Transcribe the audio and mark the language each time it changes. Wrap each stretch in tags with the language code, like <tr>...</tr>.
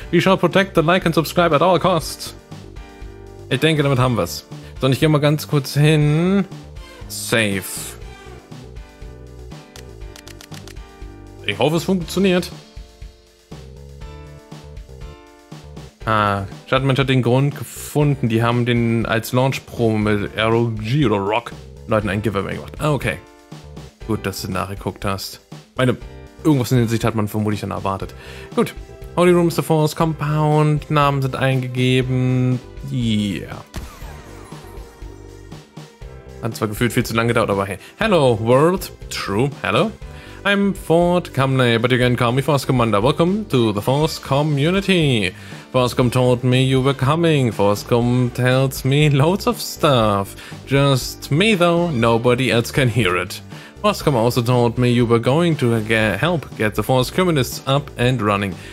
<en>We shall protect the like and subscribe at all costs.</en> <de>Ich denke, damit haben wir's. So, und ich gehe mal ganz kurz hin. Save. Ich hoffe, es funktioniert. Shadowmanch hat den Grund gefunden. Die haben den als Launch-Promo mit ROG oder Rock Leuten ein Giveaway gemacht. Ah, okay. Gut, dass du nachgeguckt hast. Meine, irgendwas in der Sicht hat man vermutlich dann erwartet.</de> <en>Gut. Holy Room is the Force Compound.</en> <de>Namen sind eingegeben.</de> <en>Yeah.</en> <de>Hat zwar gefühlt viel zu lange gedauert, aber hey.</de> <en>Hello, world. True. Hello. I'm Ford Cumney, but you can call me Force Commander. Welcome to the Force Community. Forcecom told me you were coming. Forcecom tells me loads of stuff. Just me, though. Nobody else can hear it. Forcecom also told me you were going to help get the Force Communists up and running.</en>